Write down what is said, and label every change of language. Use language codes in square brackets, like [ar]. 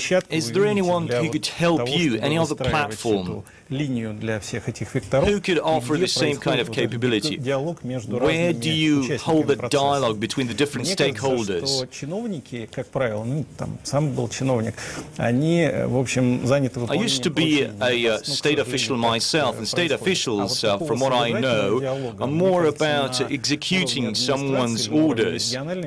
[en] Is there anyone who could help you, any other platform? Who could offer the same kind of capability? Where do you hold the dialogue between the different stakeholders? [ru] как правило, ну, там, сам был чиновник, они, в общем, заняты выполнением... [en] I used to be a state official myself, and state officials, from what I know, are more about executing someone's orders.